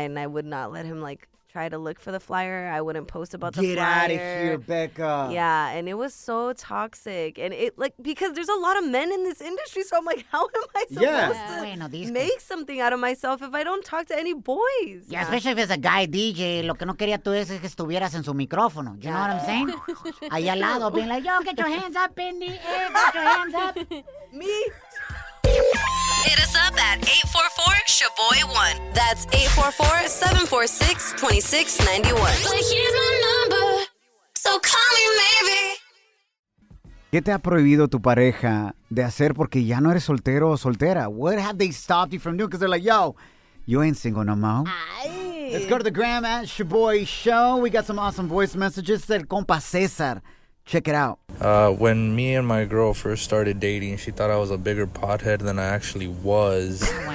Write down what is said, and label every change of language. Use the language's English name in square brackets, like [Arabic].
[English] And I would not let him like try to look for the flyer. I wouldn't post about the Get out of here, Becca. Yeah, and it was so toxic. And it, like, because there's a lot of men in this industry, so I'm like, how am I supposed to make something out of myself if I don't talk to any boys? Yeah, especially if it's a guy DJ. [Spanish] Lo que no quería tú es que estuvieras en su micrófono. [English] You know what I'm saying? [Spanish] Ahí al lado, [English] being like, yo, get your hands up, Indy. Hey, get your hands up. Me. Hit us up at 844-SHABOY1. That's 844-746-2691. But here's my number, so call me maybe. [Spanish] ¿Qué te ha prohibido tu pareja de hacer porque ya no eres soltero o soltera? [English] What have they stopped you from doing? Because they're like, yo, you ain't single no more. Ay. Let's go to the gram at Shaboy Show. We got some awesome voice messages. El compa César. Check it out. When me and my girl first started dating, she thought I was a bigger pothead than I actually was.